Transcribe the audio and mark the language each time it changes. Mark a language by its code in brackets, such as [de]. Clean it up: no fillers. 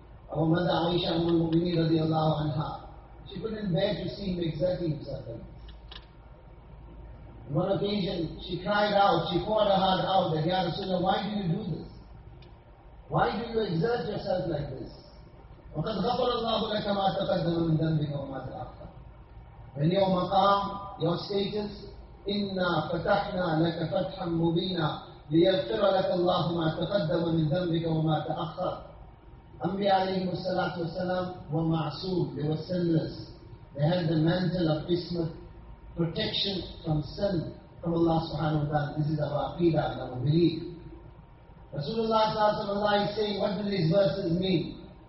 [en] Our mother Aisha Ummul Mu'mineen radiallahu anha, she couldn't bear to see him exerting himself like this. On one occasion, she cried out, she poured her heart out, that Ya Rasulullah, why do you do this? Why do you exert yourself like this? [ar] وَقَدْ غَفَرَ اللَّهُ لَكَ مَا تَقَدَّمَ مِنْ ذَنْبِكَ وَمَا تَأَخَّرَ. [en] When your maqam, your status, [ar] إِنَّا فَتَحْنَا لَكَ فَتْحًا مُبِينًا لِيَغْفِرَ لَكَ اللَّهُ مَا تَقَدَّمَ مِنْ ذَنْبِكَ وَمَا تَأَخَّرَ. [en] Anbiya alayhi salatu wasalam were ma'asood, they were sinless. They had the mantle of ismat, protection from sin, from Allah subhanahu wa ta'ala. This is our aqidah and our belief. Rasulullah sallallahu alayhi wa saying, what do these verses mean?